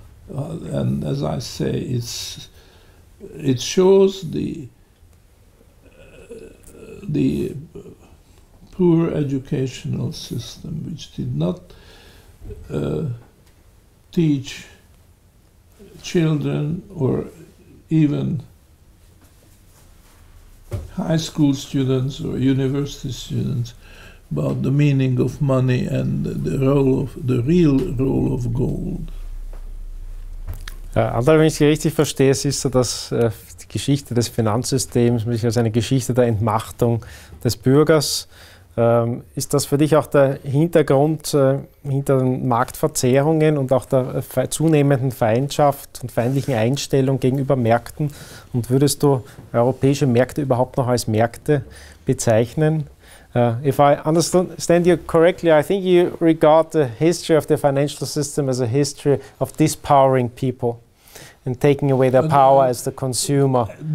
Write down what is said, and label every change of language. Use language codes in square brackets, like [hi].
[en] And as I say, it shows the poor educational system, which did not teach children or even high school students or university students about the meaning of money and the real role of gold. [de] Antal, wenn ich Sie richtig verstehe, ist so, dass die Geschichte des Finanzsystems sich als eine Geschichte der Entmachtung des Bürgers Ist das für dich auch der Hintergrund hinter den Marktverzerrungen und auch der zunehmenden Feindschaft und feindlichen Einstellung gegenüber Märkten? Und würdest du europäische Märkte überhaupt noch als Märkte bezeichnen? [en] If I understand you correctly, I think you regard the history of the financial system as a history of dispowering people and taking away their power as the consumer.